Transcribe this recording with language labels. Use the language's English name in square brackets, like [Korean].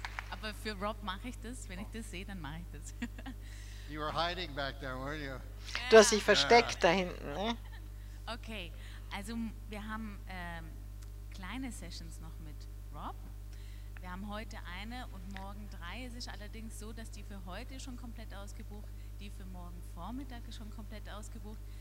[German] Aber für Rob mache ich das. Wenn ich das sehe, dann mache ich das. [English] You were hiding back there, weren't you? [German] Du hast dich versteckt da hinten, ne? Okay, also wir haben kleine Sessions noch mit Rob. Wir haben heute eine und morgen 3. Es ist allerdings so, dass die für heute schon komplett ausgebucht, die für morgen Vormittag ist schon komplett ausgebucht.